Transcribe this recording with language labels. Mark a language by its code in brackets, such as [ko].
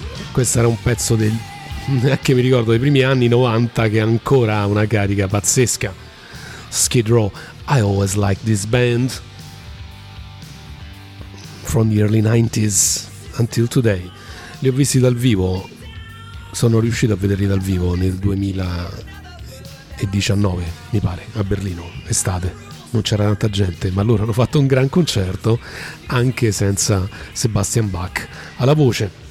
[it] Questo era un pezzo del, neanche mi ricordo, dei primi anni 90, che ancora ha una carica pazzesca. [en] Skid Row, I Always Liked This Band from the early 90s until today. [it] Li ho visti dal vivo, sono riuscito a vederli dal vivo nel 2019, mi pare, a Berlino, estate. Non c'era tanta gente, ma loro hanno fatto un gran concerto anche senza Sebastian Bach alla voce.